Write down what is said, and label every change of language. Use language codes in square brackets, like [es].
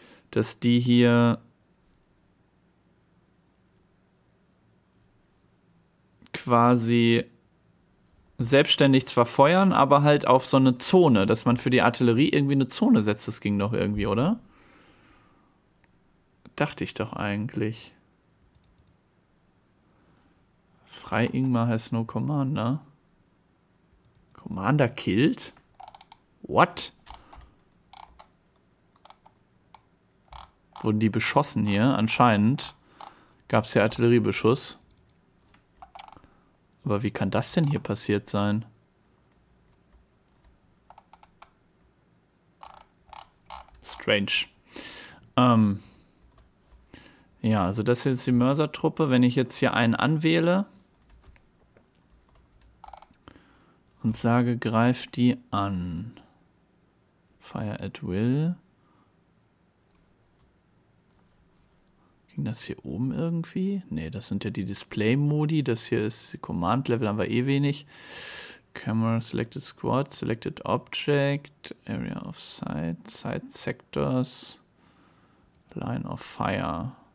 [de] Dass die hier quasi selbstständig zwar feuern, aber halt auf so eine Zone, dass man für die Artillerie irgendwie eine Zone setzt. Das ging doch irgendwie, oder? Dachte ich doch eigentlich. [en] Frei Ingmar has no Commander. Commander killed? What? [de] Wurden die beschossen hier? Anscheinend gab es hier Artilleriebeschuss. Aber wie kann das denn hier passiert sein? [en] Strange. [de] Ja, also das hier ist die Mörsertruppe. Wenn ich jetzt hier einen anwähle und sage, greift die an. [en] Fire at will. [de] Ging das hier oben irgendwie? Ne, das sind ja die Display-Modi. Das hier ist Command Level, haben wir eh wenig. [en] Camera Selected Squad, Selected Object, Area of Sight, Sight Sectors, Line of Fire.